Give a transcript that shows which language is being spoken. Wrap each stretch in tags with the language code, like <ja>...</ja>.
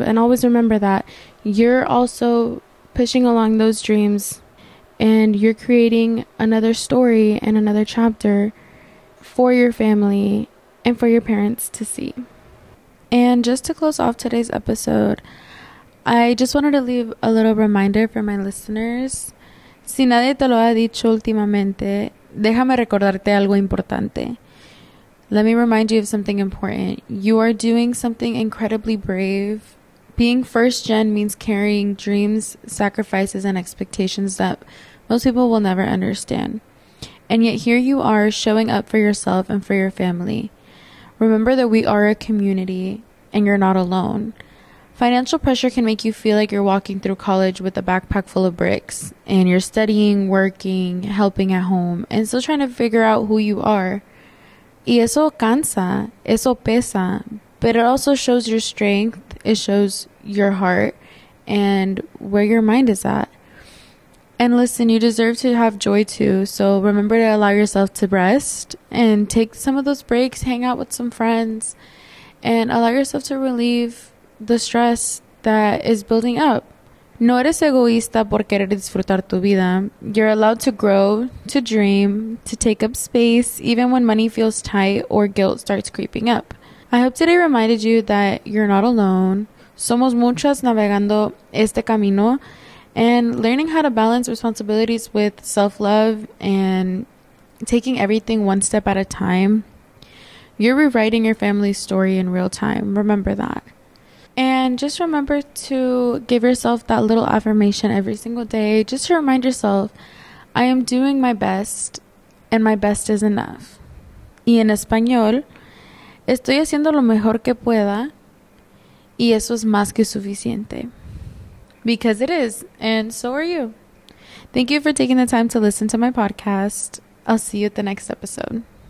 <en>And always remember that. You're also pushing along those dreams, and you're creating another story and another chapter for your family and for your parents to see. And just to close off today's episode, I just wanted to leave a little reminder for my listeners.</en> <es>Si nadie te lo ha dicho últimamente, déjame recordarte algo importante.</es> <en>Let me remind you of something important. You are doing something incredibly brave. Being first gen means carrying dreams, sacrifices, and expectations that most people will never understand. And yet here you are showing up for yourself and for your family. Remember that we are a community and you're not alone. Financial pressure can make you feel like you're walking through college with a backpack full of bricks, and you're studying, working, helping at home, and still trying to figure out who you are.</en> <es>Y eso cansa, eso pesa,</es> <en>but it also shows your strength, it shows your heart, and where your mind is at. And listen, you deserve to have joy too, so remember to allow yourself to rest and take some of those breaks, hang out with some friends, and allow yourself to relieve the stress that is building up.</en> <es>No eres egoísta por querer disfrutar tu vida.</es> <en>You're allowed to grow, to dream, to take up space, even when money feels tight or guilt starts creeping up. I hope today reminded you that you're not alone.</en> <es>Somos muchas navegando este camino</es> <en>and learning how to balance responsibilities with self-love and taking everything one step at a time. You're rewriting your family's story in real time. Remember that. And just remember to give yourself that little affirmation every single day, just to remind yourself, I am doing my best, and my best is enough.</en> <es>Y en español, estoy haciendo lo mejor que pueda, y eso es más que suficiente.</es> <en>Because it is, and so are you. Thank you for taking the time to listen to my podcast. I'll see you at the next episode.</en>